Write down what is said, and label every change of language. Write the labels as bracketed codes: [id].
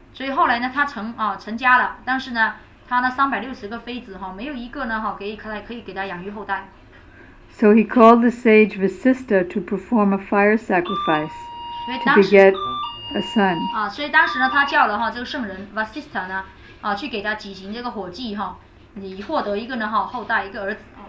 [zh] 所以后来呢，他成家了，但是呢，他那360个妃子哈，没有一个呢哈可以给他养育后代。 [en] So he called the sage Vasistha to perform a fire sacrifice to beget a son. [zh] 所以当时呢，他叫了哈这个圣人 Vasistha 呢去给他举行这个火祭哈，以获得一个呢哈后代一个儿子。